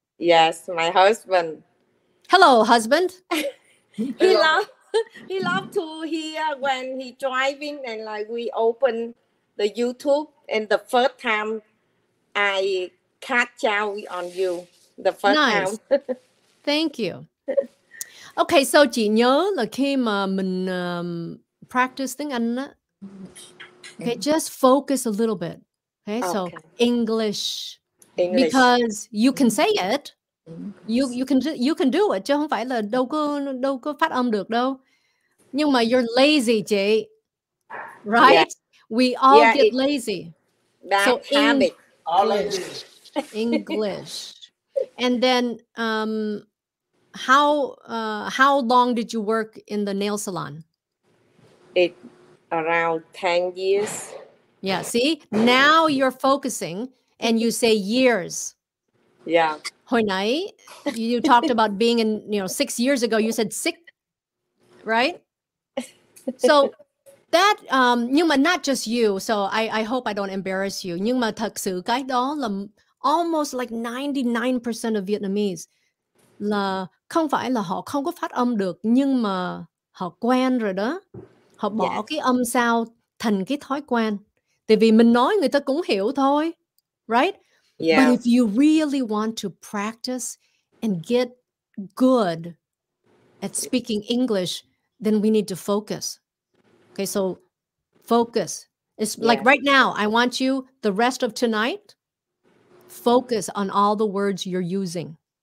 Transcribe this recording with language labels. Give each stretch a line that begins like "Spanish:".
English: Yes, my husband. Hello, husband. He love to hear when he driving, and like we open the YouTube, and the first time I catch out on you, the first nice. Time. Thank you. Okay, so
Vietnamese: chị nhớ là khi mà mình
English: practice tiếng Anh, okay, just focus a little bit. Okay, so English. Because you can say it. You can do it.
Vietnamese: Chứ không phải là đâu có phát âm được đâu. Nhưng mà
English: you're lazy,
Vietnamese: chị. Right?
English: Yeah. We all get lazy. Bad so habit. English. English. And then how long did you work in the nail salon? It around 10 years. Yeah, see? Now you're focusing and you say years. Yeah.
Vietnamese: Hồi nãy,
English: you talked about being in, you know, 6 years ago, you said sick, right? So That
Vietnamese: nhưng mà
English: not just you, so I hope I don't embarrass you.
Vietnamese: Nhưng mà thật sự cái đó là
English: almost like 99% of Vietnamese
Vietnamese: là không phải là họ không có phát âm được, nhưng mà họ quen rồi đó. Họ bỏ yeah. cái âm sao thành cái thói quen. Tại vì mình nói người ta cũng hiểu thôi.
English: Right? Yeah. But if you really want to practice and get good at speaking English, then we need to focus. Okay, so focus. It's yeah. like right now, I want you the rest of tonight, focus on all the words you're using.